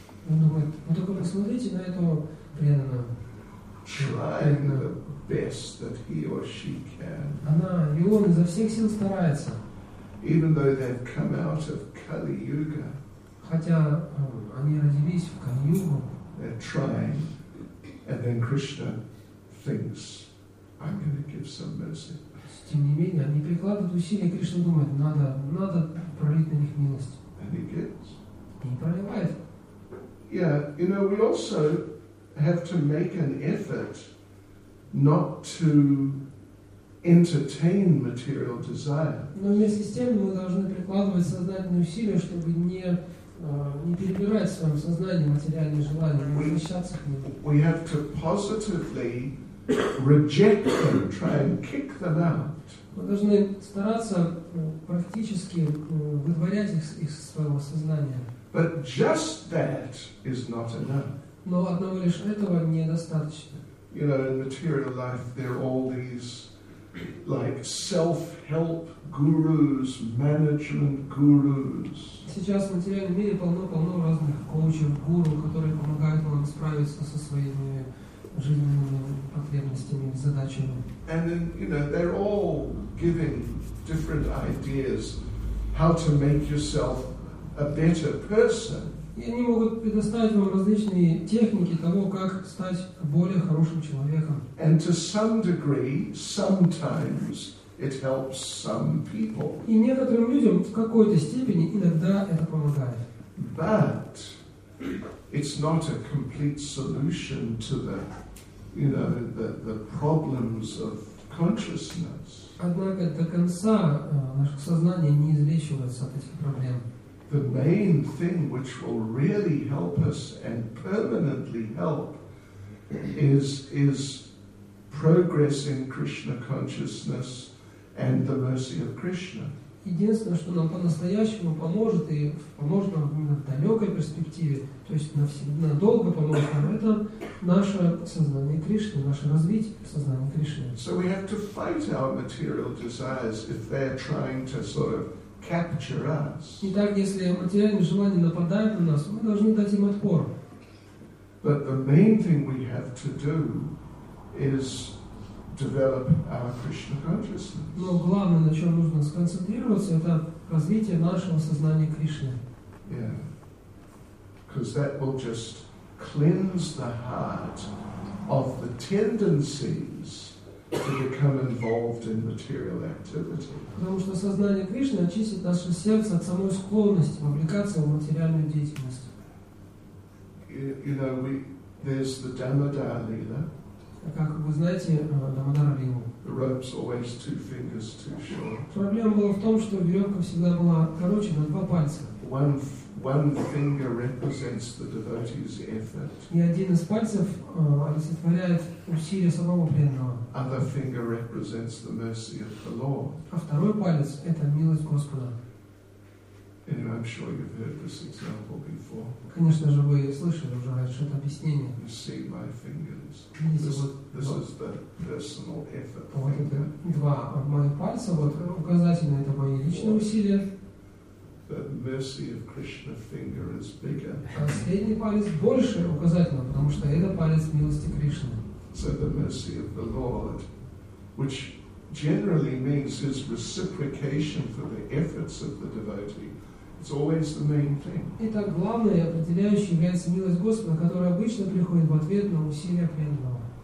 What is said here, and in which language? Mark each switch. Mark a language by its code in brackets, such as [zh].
[ru] Он думает, ну только посмотрите на этого преданного. [en] Trying the best that he or she can. [ru] Она, и он изо всех сил старается. [en] Even though they've come out of Kali-Yuga. [ru] Хотя они родились в Кали-Югу. [en] They're trying. And then Krishna thinks, I'm going to give some mercy. [ru] Тем не менее, они прикладывают усилия, и Кришна думает, надо пролить на них милость. [en] And he gives. [ru] И проливает. [en] Yeah, you know, we also have to make an effort not to entertain material desire. [ru] Но вместе с тем мы должны прикладывать сознательные усилия, чтобы не перебирать в своем сознании материальные желания, не возвращаться к ним. [en] We have to positively reject them, try and kick them out. [ru] Мы должны стараться практически выдворять их из своего сознания. [en] But just that is not enough. [ru] Но одного лишь этого недостаточно. [en] You know, in material life, there are all these like self-help gurus, management gurus. [ru] Сейчас в материальном мире полно разных коучей, гуру, которые помогают вам справиться со своими жизненными потребностями, задачами. [en] And then, you know, they're all giving different ideas how to make yourself a better person. [ru] И они могут предоставить вам различные техники того, как стать более хорошим человеком. [en] And to some degree, sometimes it helps some people. [ru] И некоторым людям в какой-то степени иногда это помогает. [en] But it's not a complete solution to the, you know, the problems of consciousness. [ru] Однако до конца наше сознание не излечивается от этих проблем. [en] The main thing which will really help us and permanently help is progress in Krishna consciousness and the mercy of Krishna. [ru] единственное, что нам по-настоящему поможет, и поможет нам именно в далекой перспективе, то есть надолго поможет нам, это наше сознание Кришны, наше развитие сознания Кришны. [en] So we have to fight our material desires if they're trying to sort of capture us. [ru] Итак, если материальные желания нападают на нас, мы должны дать им отпор. [en] But the main thing we have to do is develop our Krishna consciousness. [ru] Но главное, на чем нужно сконцентрироваться, это развитие нашего сознания Кришны. [en] Because that will just cleanse the heart of the tendencies to become involved in material activity. [ru] Потому что сознание Кришны очистит наше сердце от самой склонности вовлекаться в материальную деятельность. [en] You know, there's the Damodara Lila. [ru] Как вы знаете, Дамодара Лилу. [en] The rope's always two fingers too short. [ru] Проблема была в том, что веревка всегда была короче на два пальца. [en] One finger represents the devotee's effort. [ru] И один из пальцев олицетворяет усилие самого преданного. [en] Other finger represents the mercy of the Lord. [ru] А второй палец – это милость Господа. [en] Anyway, I'm sure you've heard this example before. [ru] Конечно же, вы слышали уже это объяснение. [en] You see my fingers. This is the personal effort. [ru] Вот это два моих пальца, вот указательные, это мои личные усилия. [en] The mercy of Krishna finger is bigger. [ru] Последний палец больше указательного, потому что это палец милости Кришны. [en] So the mercy of the Lord, which generally means his reciprocation for the efforts of the devotee. It's always the main thing. [ru] Итак, главное и определяющее является милость Господа, которая обычно приходит в ответ на усилия преданного.